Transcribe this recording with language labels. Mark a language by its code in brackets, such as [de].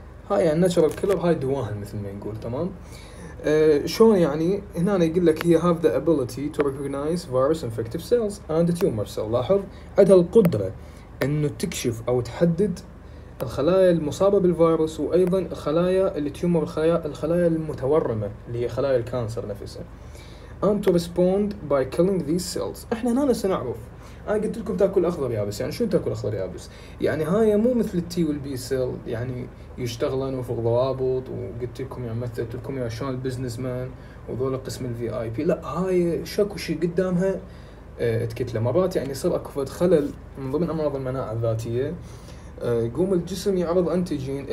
[ar] هاي يعني ناتشرال كيلر، هاي دواهن مثل ما نقول. تمام، شلون يعني؟ هنا أنا يقول لك هي [en] have the ability to recognize virus infective cells and tumor cells. [ar] لاحظ عندها القدرة إنه تكشف أو تحدد الخلايا المصابة بالفيروس وأيضا الخلايا اللي تيومر، الخلايا المتورمة اللي هي خلايا الكانسر نفسها. [en] And to respond by killing these cells. [ar] إحنا هنا سنعرف. أنا قلت لكم تأكل أخضر يابس، يعني شو تأكل أخضر يابس؟ يعني هاي مو مثل التي والبي سيل يعني يشتغلن وفق ضوابط، وقلت لكم يعني مثلت لكم يا شلون البزنس مان وذول قسم الفي آي بي. لا، هاي شاكو شي قدامها اتكتلة مرات، يعني يصير أكو فد خلل من ضمن أمراض المناعة الذاتية، يقوم الجسم يعرض أنتيجين.